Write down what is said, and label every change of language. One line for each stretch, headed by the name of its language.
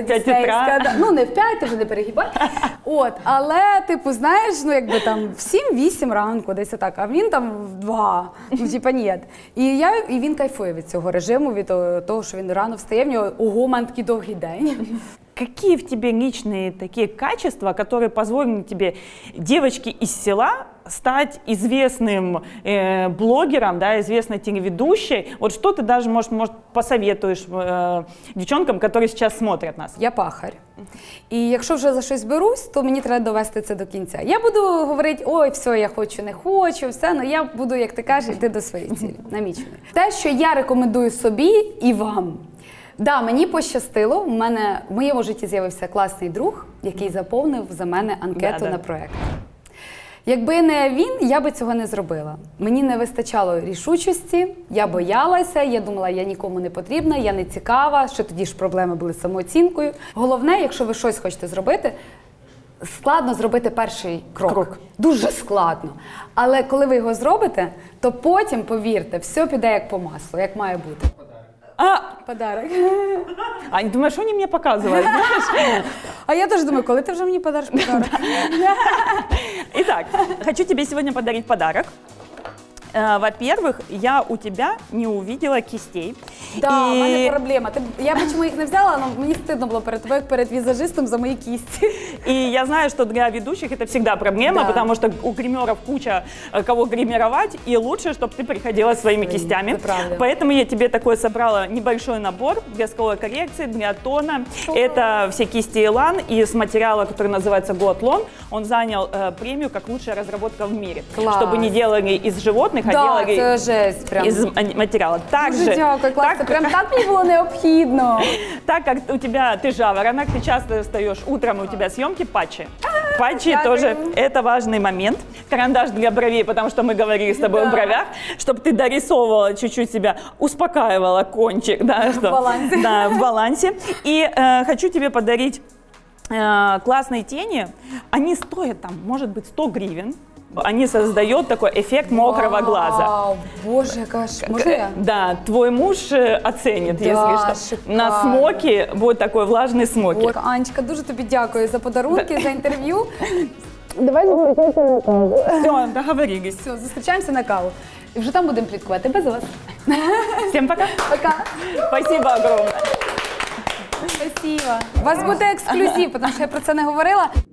Ukrainian: дістейська. Ну не в 5, ти вже не перегибай. От, але, типу, знаєш, ну якби там в 7-8 ранку, десь отак, а він там в 2. Ну, типа, ні. І він кайфує від цього режиму, від того, що він рано встає, в нього, ого, мен такий довгий день.
Russian: Какие в тебе личные такие качества, которые позволили тебе девочке из села стать известным блогером, да, известной телеведущей? Вот что ты даже, может посоветуешь девчонкам, которые сейчас смотрят нас? Я пахарь.
Ukrainian: І якщо вже за щось берусь, то мені треба довести це до кінця. Я буду говорити, ой, все, я хочу, не хочу, все, але я буду, як ти кажеш, йти до своєї цілі, наміченої. Те, що я рекомендую собі і вам. Так, да, мені пощастило, в моєму житті з'явився класний друг, який заповнив за мене анкету на проєкт. Якби не він, я би цього не зробила. Мені не вистачало рішучості, я боялася, я думала, я нікому не потрібна, я не цікава, ще тоді ж проблеми були з самооцінкою. Головне, якщо ви щось хочете зробити, складно зробити перший крок. Дуже складно. Але коли ви його зробите, то потім, повірте, все піде як по маслу, як має бути.
Russian: Подарок.
Ukrainian: А не думаєш, що вони мені показують? А я теж думаю, коли ти вже мені подариш подарок?
Russian: Итак, хочу тебе сегодня подарить подарок. Во-первых, я у тебя не увидела кистей. Да, и... у меня проблема. Я почему их не взяла, но мне стыдно было перед тобой, перед визажистом за мои кисти. И я знаю, что для ведущих это всегда проблема, да. Потому что у гримеров куча кого гримировать, и лучше, чтобы ты приходила своими кистями. Поэтому я тебе такой собрала небольшой набор для скаловой коррекции, для тона. Шу. Это все кисти Elan из материала, который называется Goatlon. Он занял премию как лучшая разработка в мире. Класс. Чтобы не делали из животных. Да, это жесть, прям. Из материала.
Ukrainian: Дуже дякую, класс, так...
Russian: прям так мне было необходимо. Так как у тебя, ты жаворонок, ты часто встаешь утром, у тебя съемки, патчи. Патчи тоже, это важный момент. Карандаш для бровей, потому что мы говорили с тобой о бровях, чтобы ты дорисовывала чуть-чуть себя, успокаивала кончик. Да, в балансе. Да, в балансе. И хочу тебе подарить классные тени. Они стоят там, может быть, 100 гривен. Они создают такой эффект мокрого глаза. Боже, кошмар. Да, твой муж оценит, да, если что. Шикарно. На смоки будет такой влажный смоки. Вот.
Ukrainian: Анечка, дуже тобі дякую за подарунки, за интервью. Давай зустрічаємося на каву.
Russian: Все, договорились.
Ukrainian: Все, зустрічаємося на каву. І вже там будемо пліткувати.
Russian: Без вас. Всем пока. Пока. Спасибо огромное. Спасибо.
Ukrainian: У вас буде ексклюзив, тому що я про це не говорила.